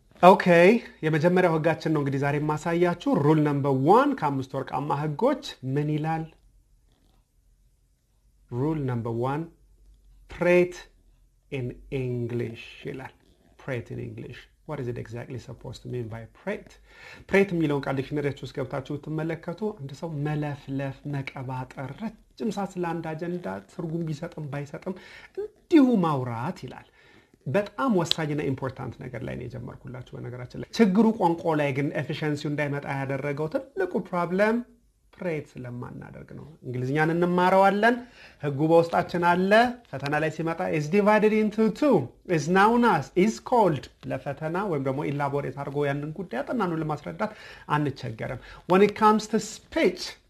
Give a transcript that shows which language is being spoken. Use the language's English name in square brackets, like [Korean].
[Amharic] Okay, የመጀመሪያ ወጋችን ነው እንግዲህ ዛሬ ማሳያችሁ [English] rule number 1 [Amharic] ከአምስት ወርቃማ ህጎች ምን ይላል? [English] Rule number 1 prate in English [Amharic] ይላል. [English] Prate in English. What is it exactly supposed to mean by prate? [Amharic] Prate የሚለውን ቃል ዲክሽነሪያችሁ ውስጥ ገብታችሁ ተመለከቱ አንድ ሰው መለፍለፍ መቀባጠር ረጅም ሰዓት ለአንድ አጀንዳ ትርጉም ቢሰጥም ባይሰጥም እንዲሁ ማውራት ይላል. በጣም ወሳኝና ኢምፖርታንት ነገር ላይ ነው የጀመርኩላችሁ በነገራችን ላይ ችግሩ ቋንቋ ላይ ግን ኤፊሽንሲው እንዳይመጣ ያደረገው ትልቁ ፕሮብለም ፕሬት ለማናደርግ ነው እንግሊዝኛን እንማራዋለን ህጉ በውስጣችን አለ ፈተና ላይ ሲመጣ [English] is divided into two is known as is called [Amharic] ለፈተና ወይም ደግሞ ኢላቦሬት አድርጎ ያንን ጉዳይ አጠናኑ ለማስረዳት አንቸገርም [English] when it comes to speech